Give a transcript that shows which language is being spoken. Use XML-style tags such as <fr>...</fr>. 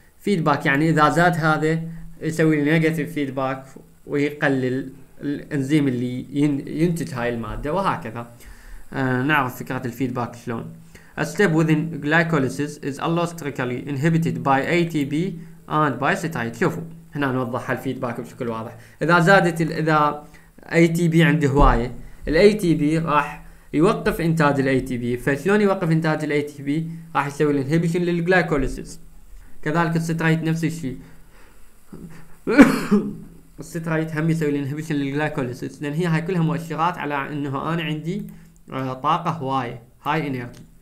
<ar>feedback يعني اذا زاد هذا يسوي نيجاتيف فيدباك ويقلل الانزيم اللي ينتج هاي الماده، وهكذا. نعرف فكره الفيدباك شلون.</ar> <en>a step within glycolysis is allosterically inhibited by ATP and by acetyl.</en> <ar>شوفوا هنا نوضح الفيدباك بشكل واضح. اذا زادت اذا اي تي بي عندي هوايه، الاي تي بي راح يوقف انتاج الاي تي بي، فشلون يوقف انتاج الاي تي بي؟ راح يسوي الانهبيشن للجلايكوليسيس. كذلك الستريت نفس الشيء، الستريت هم يسوي الانهبيشن للجلايكوليسيس، لان هي هاي كلها مؤشرات على انه انا عندي طاقه هوايه، هاي انرجي.</ar>